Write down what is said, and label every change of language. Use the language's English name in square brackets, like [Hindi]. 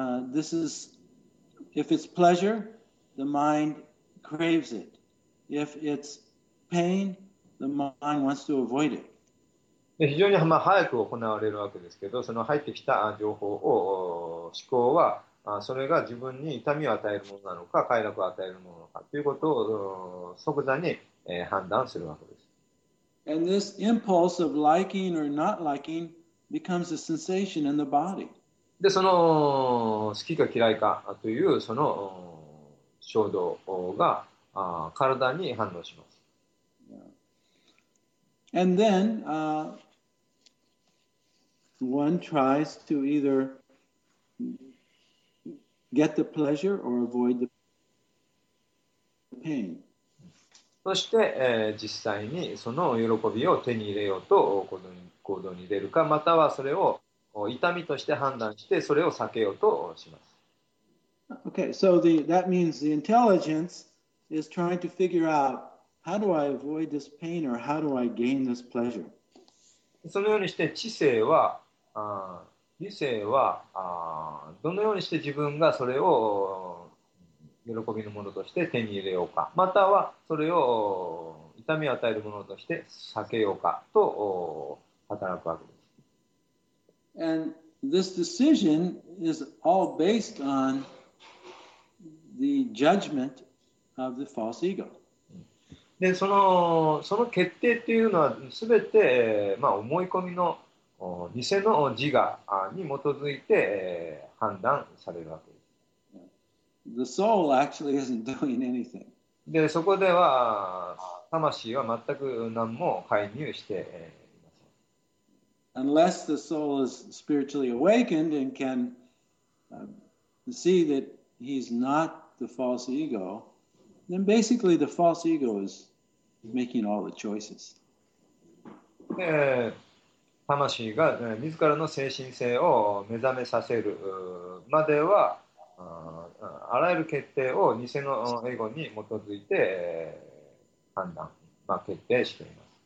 [English] This is, if it's pleasure, the mind craves it. If it's pain, the mind wants to avoid it. [Japanese] 非常に、まあ、早く行われるわけですけど、その入ってきた情報を思考は、それが自分に痛みを与えるものなのか、快楽を与えるものかということを即座に、判断するわけです。 [English] And this impulse of liking or not likingbecomes a sensation in the body. [Japanese] で、その好きか嫌いかというその衝動が体に反応します。 [English] Yeah. And then one tries to either get the pleasure or avoid the pain. [Japanese] そして、実際にその喜びを手に入れようと行動に出るか、またはそれを痛みとして判断して、それを避けようとします。 [English] Okay, so that means the intelligence is trying to figure out How do I avoid this pain or how do I gain this pleasure? [Japanese] そのようにして知性は、理性は、どのようにして自分がそれを喜びのものとして手に入れようか、またはそれを痛みを与えるものとして避けようかと働くわけです。 [English] And this decision is all based on the judgment of the false ego. [Japanese] でその決定っていうのは全て、まあ、思い込みの偽の自我に基づいて判断されるわけです。 [English] The soul actually isn't doing anything. [Japanese] でそこでは魂は全く何も介入していません。 [English] Unless the soul is spiritually awakened and can see that he's not the false ego, then basically the false ego is. Making all the choices. [Japanese] で、魂が、ね、自らの精神性を目覚めさせるまでは、あらゆる決定を偽のエゴに基づいて判断、まあ、決定しています。